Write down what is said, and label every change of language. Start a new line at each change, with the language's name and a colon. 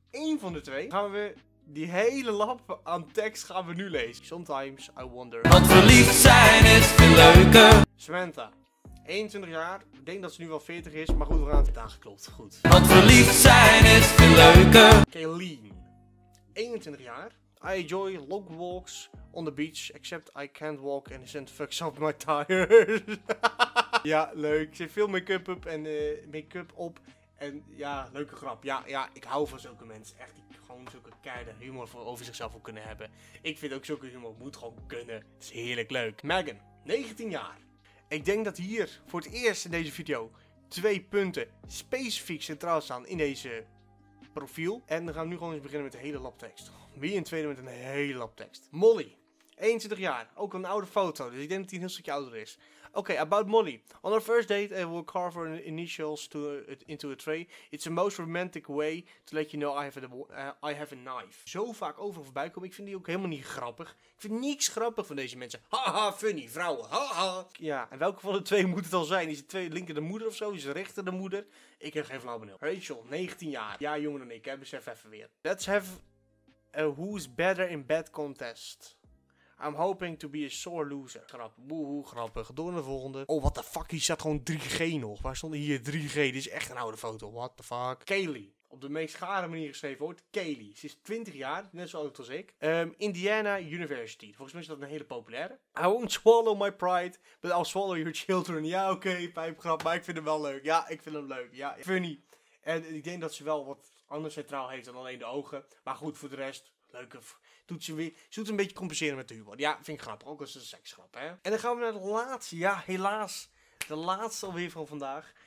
Dutch: Eén van de twee. Gaan we die hele lap aan tekst gaan we nu lezen.
English: Sometimes I wonder.
Dutch: Want verliefd zijn is veel leuker. Samantha, 21 jaar. Ik denk dat ze nu wel 40 is, maar goed, we gaan het aangeklopt. Goed. Want verliefd zijn is veel leuker. Kayleen, 21 jaar.
English: I enjoy long walks on the beach, except I can't walk and send fucks up my tires.
Dutch: Ja, leuk. Ze heeft veel make-up op en make-up op. En ja, leuke grap. Ja, ik hou van zulke mensen. Echt, die gewoon zulke keide humor over zichzelf ook kunnen hebben. Ik vind ook zulke humor moet gewoon kunnen. Het is heerlijk leuk. Megan, 19 jaar. Ik denk dat hier voor het eerst in deze video 2 punten specifiek centraal staan in deze profiel. En dan gaan we nu gewoon eens beginnen met de hele labtekst. Wie een tweede met een hele labtekst? Molly, 21 jaar. Ook een oude foto, dus ik denk dat hij een heel stukje ouder is.
English: Okay, about Molly. On our first date, I will carve her initials into a tray. It's the most romantic way to let you know I have a knife.
Dutch: Zo vaak over en voorbij komen. Ik vind die ook helemaal niet grappig. Ik vind niks grappig van deze mensen. Haha, funny, vrouwen, haha. Ja, en welke van de twee moet het al zijn? Is het twee linker de moeder of zo? Is het rechter de moeder? Ik heb geen flauw benul. Rachel, 19 jaar. Ja, jonger dan ik, hè. Besef even weer.
English: Let's have a who's better in bed contest. I'm hoping to be a sore loser.
Dutch: Grappig. Boehoe, grappig. Door naar de volgende.
English: Oh, what the fuck?
Dutch: Hier staat gewoon 3G nog. Waar stond hier 3G? Dit is echt een oude foto.
English: What the fuck?
Dutch: Kaylee. Op de meest gare manier geschreven wordt. Kaylee. Ze is 20 jaar. Net zo oud als ik. Indiana University. Volgens mij is dat een hele populaire.
English: I won't swallow my pride, but I'll swallow your children.
Dutch: Ja, oké. Pijpgrap. Maar ik vind hem wel leuk. Ja, ik vind hem leuk. Ja, funny. En ik denk dat ze wel wat anders centraal heeft dan alleen de ogen. Maar goed, voor de rest. Leuke. doet ze weer, ze doet een beetje compenseren met de humor. Ja, vind ik grappig. Ook als een seksgrap, hè. En dan gaan we naar de laatste. Ja, helaas. De laatste alweer van vandaag.